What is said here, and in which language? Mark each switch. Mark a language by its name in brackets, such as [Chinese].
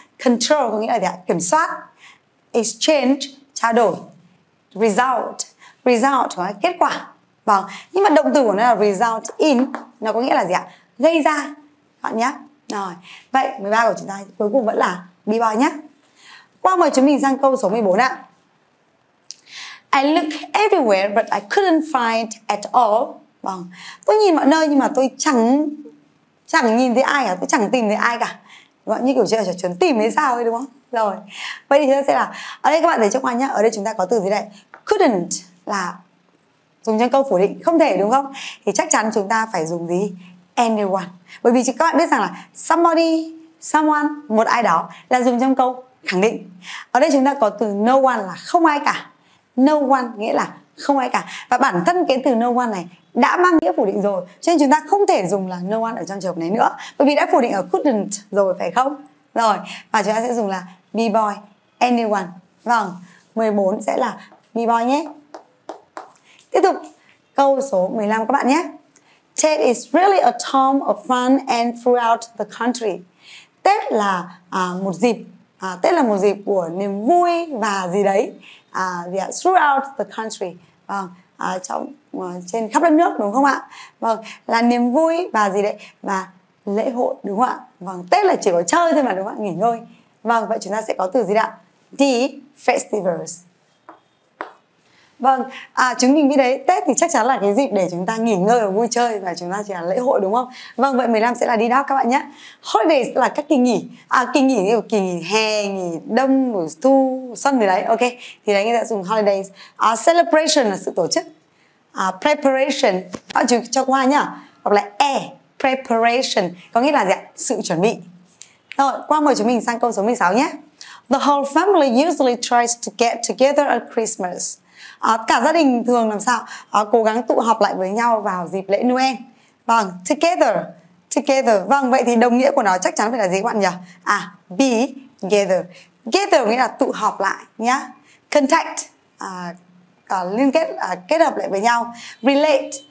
[Vietnamese] Control có nghĩa là gì ạ? Kiểm soát. Exchange, trao đổi. Result. Result có nghĩa là kết quả. Vâng, nhưng mà động từ của nó là result in, nó có nghĩa là gì ạ? Gây ra bạn nhé. Rồi, vậy 13 của chúng ta cuối cùng vẫn là B-boy nhé. Qua mời chúng mình sang câu số 14 ạ. [English] I look everywhere but I couldn't find at all. [Vietnamese] Vâng, tôi nhìn mọi nơi nhưng mà tôi chẳng nhìn thấy ai cả, tôi chẳng tìm thấy ai cả. Vậy như kiểu chơi chuẩn tìm thấy sao ấy đúng không? Rồi, vậy thì chúng ta sẽ là, ở đây các bạn thấy trong anh nhé, ở đây chúng ta có từ gì đây? Couldn't là dùng trong câu phủ định, không thể đúng không? Thì chắc chắn chúng ta phải dùng gì? Anyone. Bởi vì các bạn biết rằng là somebody, someone, một ai đó là dùng trong câu khẳng định. Ở đây chúng ta có từ no one là không ai cả. No one nghĩa là không ai cả. Và bản thân cái từ no one này đã mang nghĩa phủ định rồi, cho nên chúng ta không thể dùng là no one ở trong trường hợp này nữa. Bởi vì đã phủ định ở couldn't rồi phải không? Rồi, và chúng ta sẽ dùng là B-boy, anyone. Vâng, 14 sẽ là B-boy nhé. Tiếp tục câu số 15 các bạn nhé. [English] Ted is really a time of fun and throughout the country. [Vietnamese] Tết là một dịp, Tết là một dịp của niềm vui và gì đấy, [English] throughout the country, [Vietnamese] vâng, trên khắp đất nước đúng không ạ? Vâng, là niềm vui và gì đấy, và lễ hội đúng không ạ? Vâng, Tết là chỉ có chơi thôi mà đúng không ạ? Nghỉ ngơi. Vâng, vậy chúng ta sẽ có từ gì đó? The festivals. Vâng, chúng mình biết đấy, Tết thì chắc chắn là cái dịp để chúng ta nghỉ ngơi và vui chơi, và chúng ta chỉ là lễ hội đúng không? Vâng, vậy 15 sẽ là đi đâu các bạn nhé. Holidays là các kỳ nghỉ, kỳ nghỉ hè, nghỉ đông, thu, xuân gì đấy, ok. Thì đấy, người ta dùng holidays. Celebration là sự tổ chức. Preparation, cho qua nhá. Hoặc là preparation có nghĩa là gì ạ? Sự chuẩn bị. Rồi, qua mời chúng mình sang câu số 16 nhé. [English] The whole family usually tries to get together at Christmas. [Vietnamese] Cả gia đình thường làm sao? Cố gắng tụ họp lại với nhau vào dịp lễ Noel. Vâng, together. Together. Vâng, vậy thì đồng nghĩa của nó chắc chắn phải là gì các bạn nhỉ? Be together. Gather nghĩa là tụ họp lại nhá. Contact. Liên kết, kết hợp lại với nhau. Relate.